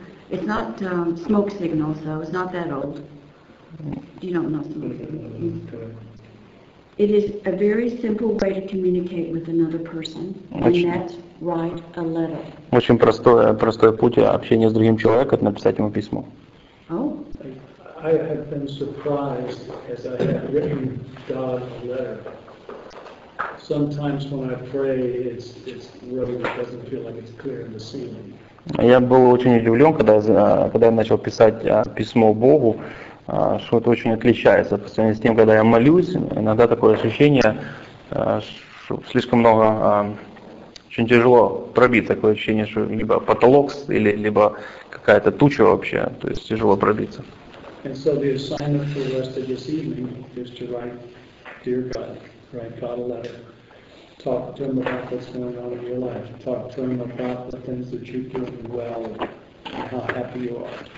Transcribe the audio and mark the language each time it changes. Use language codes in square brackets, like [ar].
[en] It's not smoke signals, so it's not that old. You don't know smoke signals. It is a very simple way to communicate with another person, [ru] очень, [en] and that's write a letter. [ru] Очень простой путь общения с другим человеком — это написать ему письмо. Oh. [en] I have been surprised as I have written God a letter. Sometimes when I pray, it's really doesn't feel like it's clear in the ceiling. [ru] Я был очень удивлен, когда я начал писать письмо Богу. Что-то очень отличается по сравнению с тем, когда я молюсь, иногда такое ощущение, что слишком много, очень тяжело пробить, такое ощущение, что либо потолок, либо какая-то туча вообще, то есть тяжело пробиться. [en] And so the assignment for the rest of this evening is to write, dear God, write God a letter. Talk to him about what's going on in your life. Talk to him about the things that you're doing well and how happy you are.